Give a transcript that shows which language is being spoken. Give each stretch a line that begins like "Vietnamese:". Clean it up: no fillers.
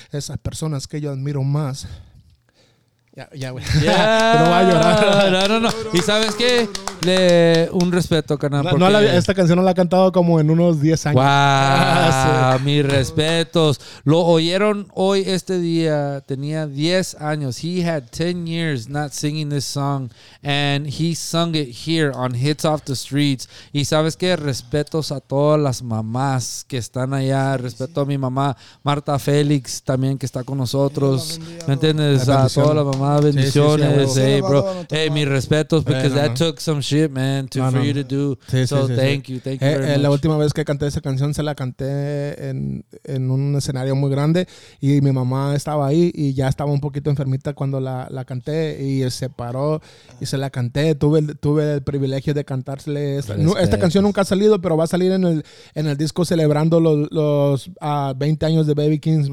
Spanish: Esas personas que yo admiro más. Ya, güey. Ya, yeah. No va a llorar. No. Y sabes qué, le un respeto, canal. No, esta canción no la ha cantado como en unos 10 años. Wow, mis respetos. Lo oyeron hoy este día. Tenía 10 años.
English: He had 10 years not singing this song, and he sung it here on Hits Off the Streets.
Spanish: Y sabes qué, respetos a todas las mamás que están allá. Respeto a mi mamá Marta Félix también que está con nosotros. ¿Me entiendes? A todas las mamás. Bendiciones, sí, sí, sí, bro. Hey, bro. Hey, mis respetos, because no, no.
English: That took some shit, man, to no, no. For you to do. Sí, so, sí, thank sí. You, thank you very much.
Spanish: La última vez que canté esa canción, se la canté en un escenario muy grande, y mi mamá estaba ahí, y ya estaba un poquito enfermita cuando la canté, y se paró, y se la canté. Tuve el privilegio de cantársele. Esta canción nunca ha salido, pero va a salir en el disco celebrando los 20 años de Baby Kings.